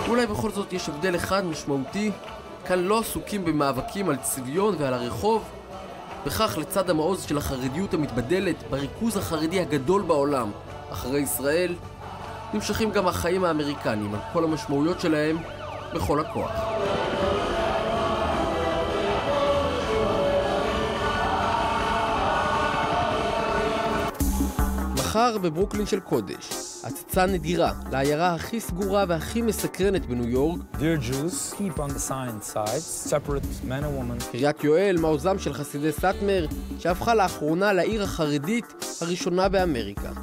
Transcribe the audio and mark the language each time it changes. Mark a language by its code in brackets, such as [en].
[he] בכל זאת יש הבדל אחד משמעותי, כאן לא עסוקים במאבקים על צביון ועל הרחוב, בכך לצד המעוז של החרדיות המתבדלת בריכוז החרדי הגדול בעולם אחרי ישראל, נמשכים גם החיים האמריקנים על כל המשמעויות שלהם בכל הכוח. מחר בברוקלין של קודש, הצצה נדירה לעיירה הכי סגורה והכי מסקרנת בניו יורק. [en] Dear Jews, keep on the sign side, separate man and woman. [he] קריית יואל, מעוזם של חסידי סאטמר, שהפכה לאחרונה לעיר החרדית הראשונה באמריקה.